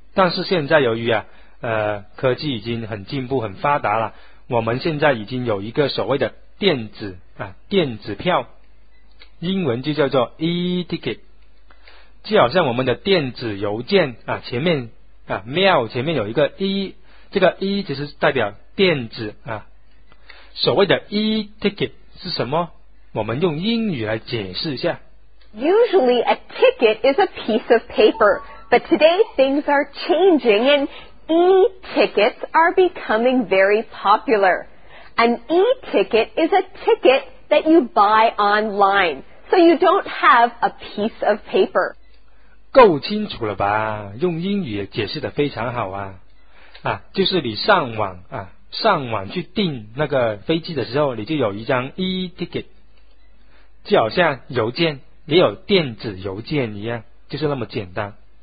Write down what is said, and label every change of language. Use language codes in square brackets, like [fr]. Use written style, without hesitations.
[zh] 但是现在由于科技已经很进步很发达了，我们现在已经有一个所谓的电子票，英文就叫做 e-ticket， 就好像我们的电子邮件前面mail 前面有一个 e， 这个 e 只是代表电子所谓的 e-ticket 是什么？我们用英语来解释一下。 [en] Usually a ticket is a piece of paper. But today things are changing and e-tickets are becoming very popular. An e-ticket is a ticket that you buy online, so you don't have a piece of paper. [zh] 够清楚了吧？用英语解释得非常好就是你上网去订那个飞机的时候，你就有一张 e-ticket， 就好像邮件，你有电子邮件一样，就是那么简单。